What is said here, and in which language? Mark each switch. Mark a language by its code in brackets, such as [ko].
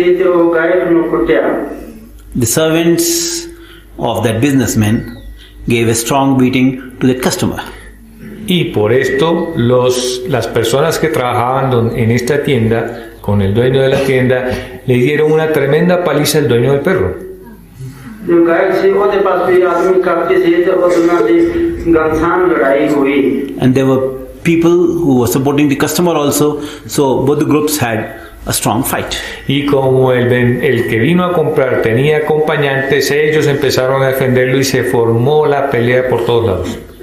[en] The servants of that businessman gave a strong beating to that customer. [es] Y por esto, las personas que trabajaban en esta tienda, con el dueño de la tienda, le dieron una tremenda paliza al dueño del perro. [en] And there were people who were supporting the customer also, so both groups had a strong fight. [es] Y como el que vino a comprar tenía acompañantes, ellos empezaron a defenderlo y se formó la pelea por todos lados.